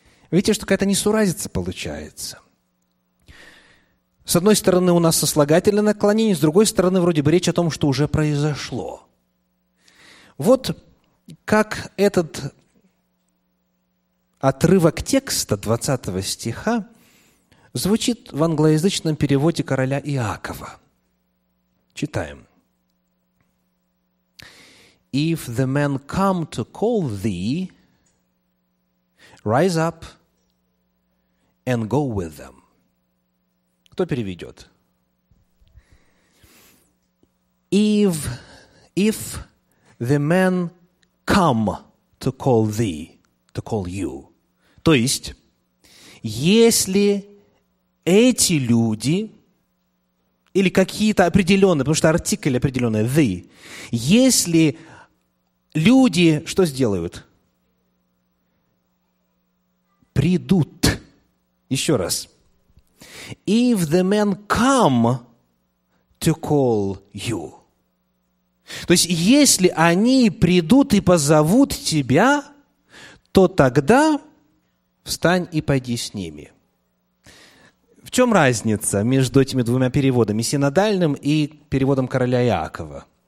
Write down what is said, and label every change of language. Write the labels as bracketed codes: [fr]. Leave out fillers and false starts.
[ru] Видите, что какая-то несуразица получается. С одной стороны, у нас сослагательное наклонение, с другой стороны, вроде бы речь о том, что уже произошло. Вот как этот отрывок текста 20 стиха звучит в англоязычном переводе короля Иакова. Читаем. [en] If the men come to call thee, rise up and go with them. [ru] Кто переведет? [en] If the men come to call thee, to call you. [ru] То есть, если эти люди или какие-то определенные, потому что артикль определенный, the, если люди, что сделают? Придут. Еще раз. [en] If the men come to call you. [ru] То есть, если они придут и позовут тебя, то тогда встань и пойди с ними. В чем разница между этими двумя переводами, синодальным и переводом короля Иакова?